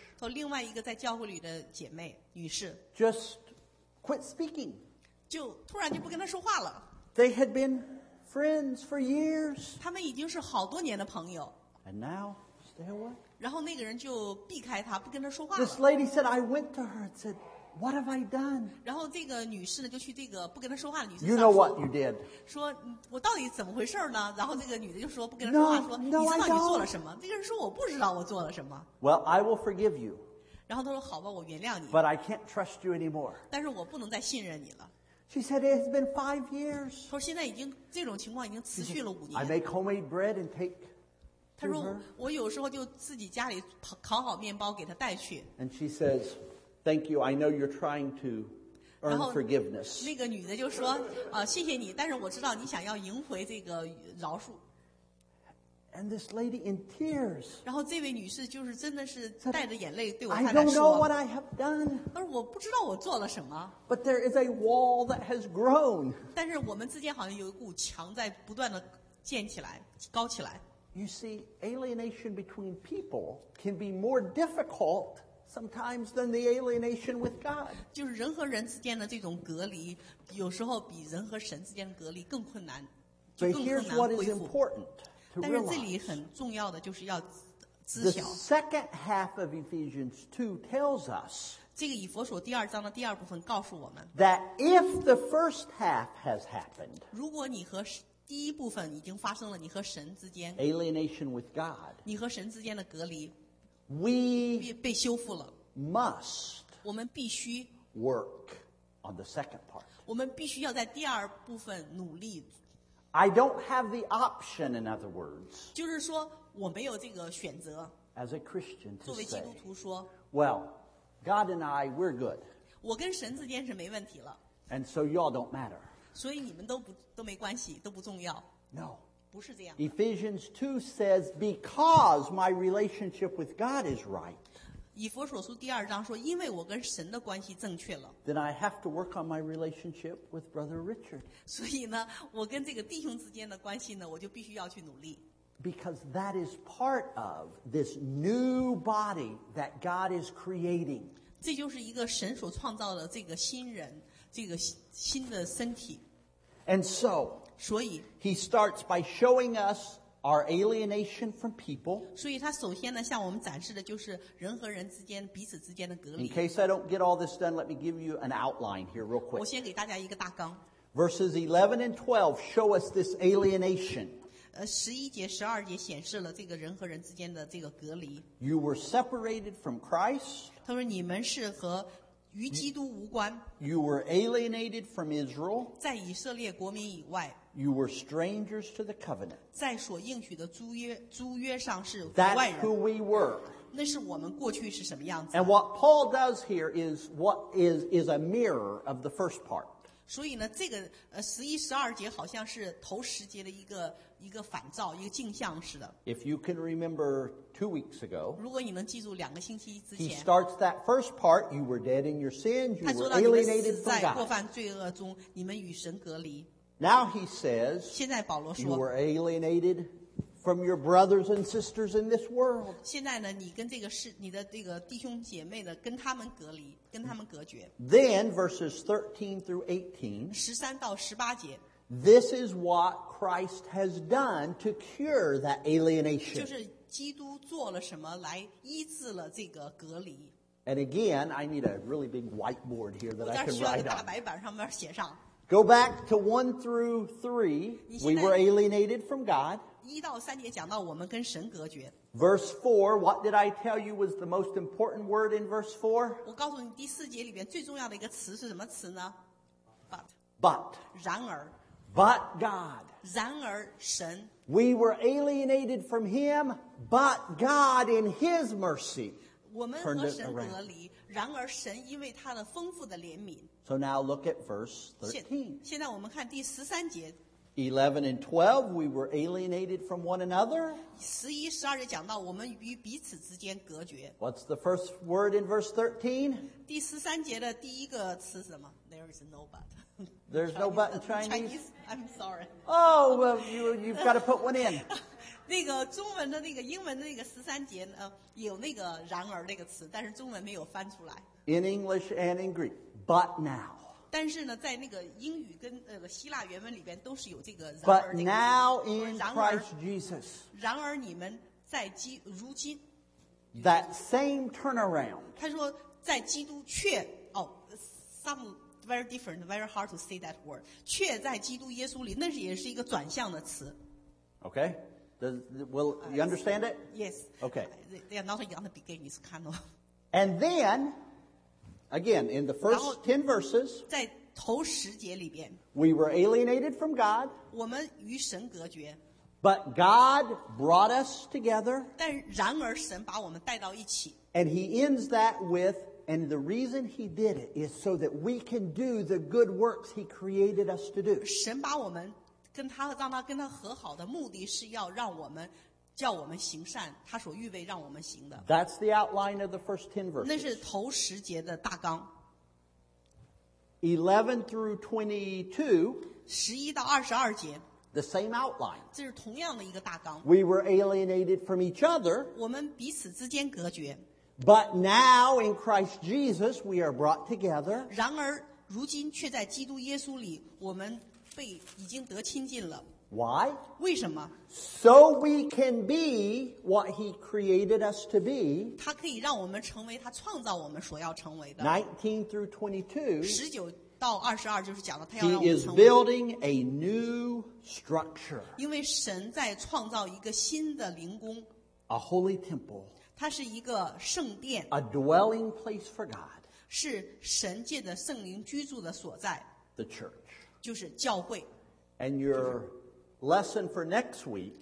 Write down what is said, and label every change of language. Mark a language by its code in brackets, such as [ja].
[zh] 和另外一个在教会里的姐妹女士。 [en] Just quit speaking. [zh] 就突然就不跟她说话了。 [en] They had been friends for years. [zh] 他们已经是好多年的朋友。 [en] And now stay away. [zh] 然后那个人就避开她，不跟她说话 [en] 了。This lady said, "I went to her and said, 'What have I done?'" [zh] 然后这个女士呢，就去这个不跟她说话的女士。 [en] You know what you did? [zh] 说，我到底怎么回事呢？然后那个女的就说，不跟她说话，说， [en] no, [zh] 你知道你做了什么？那个人说，我不知道我做了什么。 [en] Well, I will forgive you. [zh] 然后她说，好吧，我原谅你。 [en] But I can't trust you anymore. [zh] 但是我不能再信任你了。 [en] She said it has been 5 years. [zh] 她说现在已经这种情况已经持续了5年。 [en] I make homemade bread and take. [zh] 她说我有时候就自己家里烤好面包给她带去。 [en] And she says, "Thank you. I know you're trying to earn forgiveness." [zh] 那个女的就说，谢谢你，但是我知道你想要赢回这个饶恕。 [en] And this lady in tears. [zh] 然后这位女士就是真的是带着眼泪对我太太说。 [en] I don't know what I have done. [zh] 她说我不知道我做了什么。 [en] But there is a wall that has grown. [zh] 但是我们之间好像有一股墙在不断的建起来，高起来。 [en] You see, alienation between people can be more difficult sometimes than the alienation with God. [zh] 就是人和人之间的这种隔离，有时候比人和神之间的隔离更困难，就更困难恢复。 [en] But here's what is important. [zh] 但是这里很重要的就是要知晓。 [en] The second half of Ephesians 2 tells us [zh] 这个以弗所第二章的第二部分告诉我们 [en] that if the first half has happened, [zh] 如果你和第一部分已经发生了，你和神之间 [en] alienation with God, [zh] 你和神之间的隔离 [en] we [zh] 被修复了 [en] must [zh] 我们必须 [en] work on the second part, [zh] 我们必须要在第二部分努力。 [en] I don't have the option, in other words, [zh] 就是说我没有这个选择 [en] as a Christian to [zh] 作为基督徒说 [en] well, God and I, we're good. [zh] 我跟神之间是没问题了 [en] and so y'all don't matter. [zh] 所以你们都没关系，都不重要。 [en] No. [zh] 不是这样。 [en] Ephesians 2 says, because my relationship with God is right, [zh] 以弗所书第二章说，因为我跟神的关系正确了。 [en] Then I have to work on my relationship with Brother Richard. [zh] 所以呢，我跟这个弟兄之间的关系呢，我就必须要去努力。 [en] Because that is part of this new body that God is creating. [zh] 这就是一个神所创造的这个新人，这个新的身体。 [en] And so, [zh] 所以 [en] he starts by showing us. Our alienation from people. [zh] 所以他首先呢，向我们展示的就是人和人之间彼此之间的隔离。 [en] In case I don't get all this done, let me give you an outline here, real quick. [zh] 我先给大家一个大纲。 [en] Verses 11 and 12 show us this alienation. [zh] 11节、12节显示了这个人和人之间的这个隔离。 [en] You were separated from Christ. [zh] 他说你们是和与基督无关。 [en] You were alienated from Israel. [zh] 在以色列国民以外。 [en] You were strangers to the covenant. [zh] 在所应许的租约上是外人。 [en] That's who we were. [zh] 那是我们过去是什么样子。 [en] And what Paul does here is what is a mirror of the first part. [zh] 所以呢，这个十一十二节好像是头十节的一个反照，一个镜像似的。 [en] If you can remember 2 weeks ago, [zh] 如果你能记住两个星期之前 [en] ，He starts that first part. You were dead in your sins. You were alienated from God. [zh] 他说到你们死在过犯罪恶中，你们与神隔离。 [en] Now he says, [zh] 现在保罗说 [en] you were alienated from your brothers and sisters in this world. [zh] 现在呢，你跟这个是你的这个弟兄姐妹的跟他们隔离，跟他们隔绝。 [en] Then verses 13 through 18, [zh] 13到18节 [en] this is what Christ has done to cure that alienation. [zh] 就是基督做了什么来医治了这个隔离。 [en] And again, I need a really big whiteboard here that I can write on. [zh] 我在需要一个大白板上面写上。 [en] Go back to 1 through 3. We were alienated from God. [zh] 1到3节讲到我们跟神隔绝。 [en] Verse 4, what did I tell you was the most important word in verse 4? [zh] 我告诉你第四节里面最重要的一个词是什么词呢? [en] But. But. [zh] 然而。 [en] But God. [zh] 然而神。 [en] We were alienated from him, but God in his mercy. [zh] 我们和神隔离，然而神因为他的丰富的怜悯。 [en] So now look at verse 13. [zh] 现在我们看第十三节。 [en] 11 and 12, we were alienated from one another. [zh] 十一、十二节讲到我们与彼此之间隔绝。 [en] What's the first word in verse 13? [zh] 第十三节的第一个词什么 ？ [en] There is no but. There's no but in Chinese. I'm sorry. Oh, well, you've got to put one in. [zh] 那个中文的那个英文的那个十三节有那个然而那个词，但是中文没有翻出来。 [en] In English and in Greek, but now. [zh] 但是呢，在那个英语跟希腊原文里边都是有这个然而。 [en] But now in Christ Jesus. [zh] 然而你们在基如今。 [en] That same turnaround. [zh] 他说在基督却哦、 [en] oh, some. Very different, very hard to say that word. [zh] 却在基督耶稣里，那也是一个转向的词。 [en] Okay, will you understand it? Yes. Okay. They are not on the beginning kind of. And then, again, in the first 10 verses, [zh] 在头十节里边 [en] we were alienated from God. [zh] 我们与神隔绝。 [en] But God brought us together. [zh] 但然而神把我们带到一起。 [en] And He ends that with. And the reason he did it is so that we can do the good works he created us to do. [zh] 神把我们跟他让他跟他和好的目的是要让我们叫我们行善，他所预备让我们行的。 [en] That's the outline of the first 10 verses. [zh] 那是头十节的大纲。 [en] 11 through 22. [zh] 十一到二十二节。 [en] The same outline. [zh] 这是同样的一个大纲。 [en] We were alienated from each other. [zh] 我们彼此之间隔绝。 [en] But now in Christ Jesus we are brought together. [zh] 然而如今却在基督耶稣里我们被已经得亲近了。 [en] Why? [zh] 为什么? [en] So we can be what he created us to be. [zh] 他可以让我们成为他创造我们所要成为的。 [en] 19 through 22. [zh] 19到22就是讲了他要让我们成为。 [en] He is building a new structure. [zh] 因为神在创造一个新的灵宫。 [en] A holy temple. [zh] 它是一个圣殿 [en] ，a dwelling place for God， [zh] 是神借着圣灵居住的所在 [en] ，the church， [zh] 就是教会。 [en] And your lesson for next week，